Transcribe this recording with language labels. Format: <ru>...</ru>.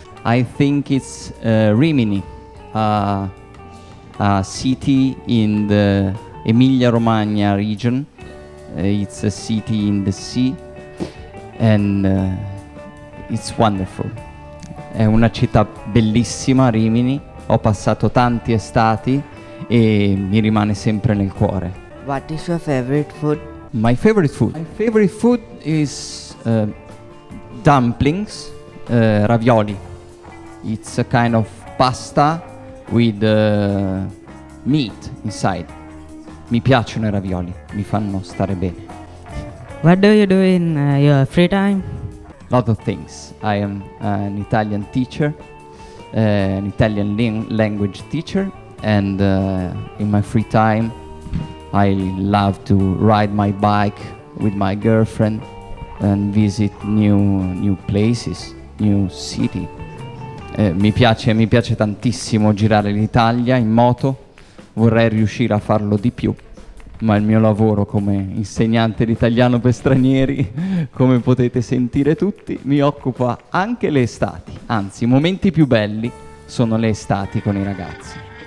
<en>I think it's Rimini, a city in the Emilia-Romagna region. It's a city in the sea and it's wonderful.</en> <it>È una città bellissima, Rimini. Ho passato tanti estati e mi rimane sempre nel cuore.</it> <en>What is your favorite food? My favorite food? My favorite food is dumplings, ravioli. It's a kind of pasta with meat inside.</en> <it>Mi piacciono i ravioli, mi fanno stare bene.</it> <en>What do you do in your free time? Lot of things. I am an Italian teacher, an Italian language teacher, and in my free time I love to ride my bike with my girlfriend and visit new places, new city.</en> <it>Mi piace tantissimo girare l'Italia in moto, vorrei riuscire a farlo di più, ma il mio lavoro come insegnante d'italiano per stranieri, come potete sentire tutti, mi occupa anche le estati. Anzi, i momenti più belli sono le estati con i ragazzi.</it>